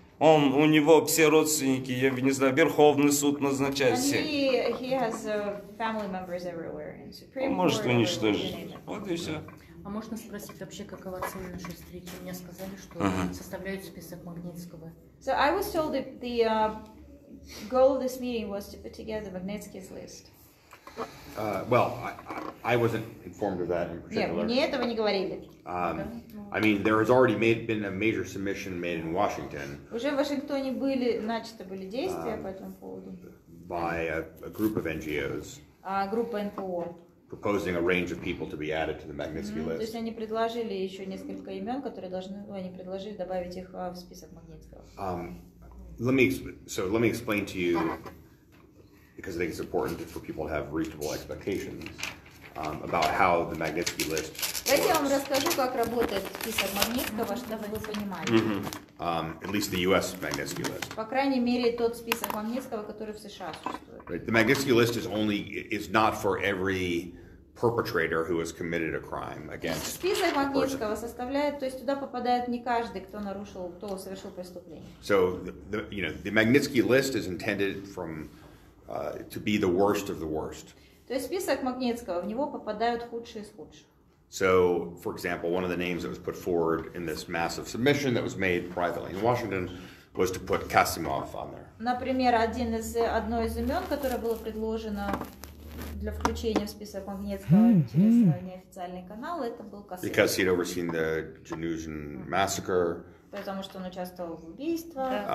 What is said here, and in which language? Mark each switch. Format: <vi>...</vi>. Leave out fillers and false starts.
<ru>Он, у него все родственники, я не знаю, Верховный суд назначает все. Он может уничтожить. Вот и все. А можно спросить вообще, какова цель нашей встречи? Мне сказали, что uh-huh. составляют список Магнитского.</ru> <en>So I was told that the goal of this meeting was to put together Magnitsky's list. Well, I wasn't informed of that in particular.</en> <ru>Мне этого не говорили.</ru> <en>I mean, there has already been a major submission made in Washington.</en> <ru>Уже в Вашингтоне были начаты были действия по этому поводу.</ru> <en>By a group of NGOs.</en> <ru>Группа НПО.</ru> <en>Proposing a range of people to be added to the Magnitsky list.</en> <ru>То есть они предложили еще несколько имен, которые должны, ну, они предложили добавить их в список Магнитского.</ru> <en>Let me explain to you. Because I think it's important for people to have reasonable expectations about how the Magnitsky list works.</en> <ru>Я вам расскажу, как работает список Магнитского, чтобы вы понимали.</ru> <en>At least the U.S. Magnitsky list.</en> <ru>По крайней мере, тот список Магнитского, который в США существует.</ru> <en>Right. The Magnitsky list is not for every perpetrator who has committed a crime against.</en> <ru>Список Магнитского составляет, то есть туда попадает не каждый, кто нарушил, кто совершил преступление.</ru> <en>So the Magnitsky list is intended from to be the worst of the worst.</en> <ru>То есть список Магнитского, в него попадают худшие из худших.</ru> <en>So, for example, one of the names that was put forward in this massive submission that was made privately in Washington was to put Kasimov on there.</en> <ru>Например, одно из имен, которое было предложено для включения в список Магнитского через неофициальный канал, это был Касимов.</ru> <en>Because he had overseen the Janusian massacre.</en> <ru>Потому что он участвовал в убийствах.</ru>